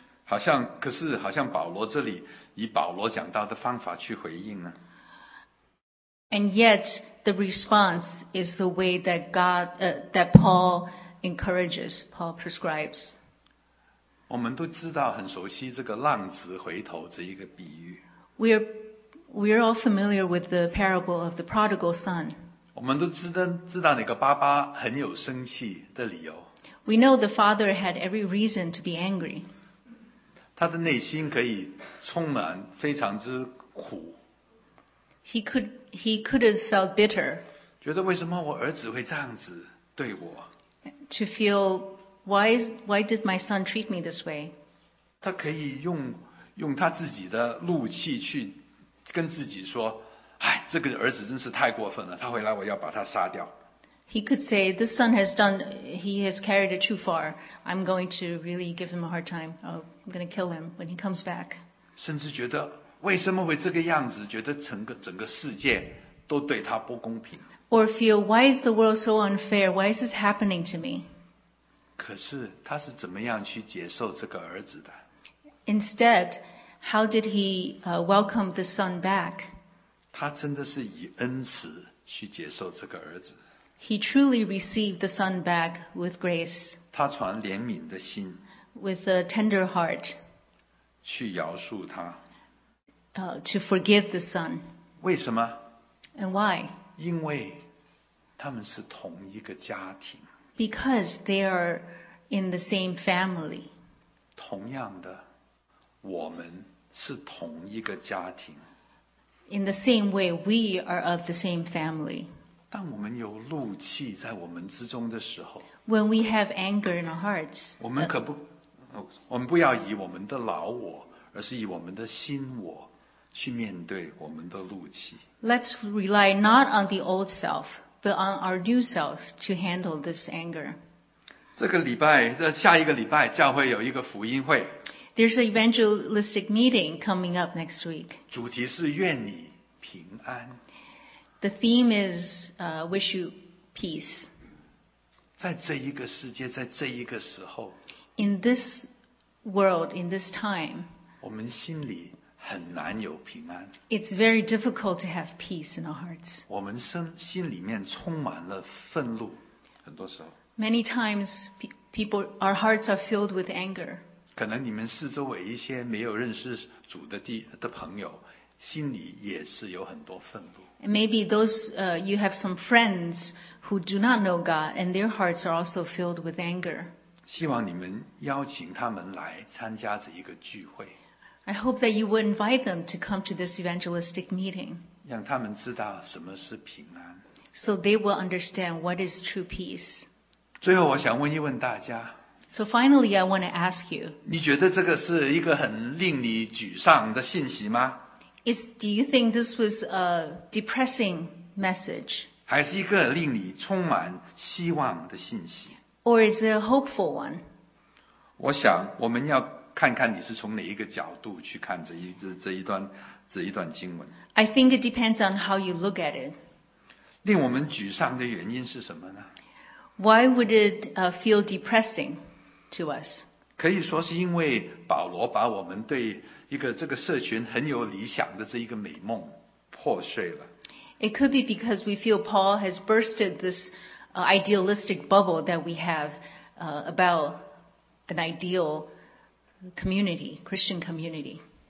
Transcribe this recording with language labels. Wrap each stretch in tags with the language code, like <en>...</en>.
<zh>好像可是好像保罗这里以保罗讲到的方法去回应呢。</zh> <en>And yet the response is the way that God, that Paul encourages, Paul prescribes.</en> <zh>我们都知道很熟悉这个浪子回头这一个比喻。</zh> <en>We are We are all familiar with the parable of the prodigal son.</en> <zh>我们都知道那个爸爸很有生气的理由。</zh> <en>We know the father had every reason to be angry.</en> <zh>他的内心可以充满非常之苦。</zh> <en>He could have felt bitter.</en> <zh>觉得为什么我儿子会这样子对我？</zh> <en>To feel why did my son treat me this way?</en> <zh>他可以用他自己的怒气去跟自己说，哎，这个儿子真是太过分了，他回来我要把他杀掉。</zh> <en>He could say, this son has done, he has carried it too far. I'm going to really give him a hard time. I'm going to kill him when he comes back.</en> <zh>甚至觉得为什么会这个样子，觉得整个世界都对他不公平。</zh> <en>Or feel, why is the world so unfair? Why is this happening to me?</en> <zh>可是他是怎么样去接受这个儿子的？</zh> <en>Instead, how did he welcome the son back?</en> <zh>他真的是以恩慈去接受这个儿子。</zh> <en>He truly received the son back with grace.</en> <zh>他传怜悯的心。</zh> <en>With a tender heart.</en> <zh>去饶恕他。</zh> <en>To forgive the son.</en> <zh>为什么？</zh> <en>And why?</en> <zh>因为他们是同一个家庭。</zh> <en>Because they are in the same family.</en> <zh>同样的。我们是同一个家庭。</zh> <en>In the same way, we are of the same family.</en> <zh>当我们有怒气在我们之中的时候，</zh> <en>When we have anger in our hearts,</en> <zh>我们可不，我们不要以我们的老我，而是以我们的新我去面对我们的怒气。</zh> <en>Let's rely not on the old self, but on our new selves to handle this anger.</en> <zh>这个礼拜，这下一个礼拜，教会有一个福音会。</zh> <en>There's an evangelistic meeting coming up next week.</en> <zh>主题是愿你平安。</zh> <en>The theme is wish you peace.</en> <zh>在这一个世界，在这一个时候。</zh> <en>In this world, in this time.</en> <zh>我们心里很难有平安。</zh> <en>It's very difficult to have peace in our hearts.</en> <zh>我们心里面充满了愤怒，很多时候。</zh> <en>Many times, people, our hearts are filled with anger.</en> <zh>可能你们四周围一些没有认识主的朋友，心里也是有很多愤怒。</zh> <en>Maybe those you have some friends who do not know God, and their hearts are also filled with anger.</en> <zh>希望你们邀请他们来参加这一个聚会。</zh> <en>I hope that you would invite them to come to this evangelistic meeting.</en> <zh>让他们知道什么是平安。</zh> <en>So they will understand what is true peace.</en> <zh>最后，我想问一问大家。</zh> <en>So finally, I want to ask you.</en> <zh>你觉得这个是一个很令你沮丧的信息吗？</zh> <en>Do you think this was a depressing message?</en> <zh>还是一个令你充满希望的信息？</zh> <en>Or is it a hopeful one?</en> <zh>我想我们要看看你是从哪一个角度去看这一段经文。</zh> <en>I think it depends on how you look at it.</en> <zh>令我们沮丧的原因是什么呢？</zh> <en>Why would it feel depressing? To us.</en> <zh>可以说是因为保罗把我们对一个这个社群很有理想的这一个美梦破碎了。</zh> <en>It could be because we feel Paul has bursted this idealistic bubble that we have about an ideal community, Christian community.</en>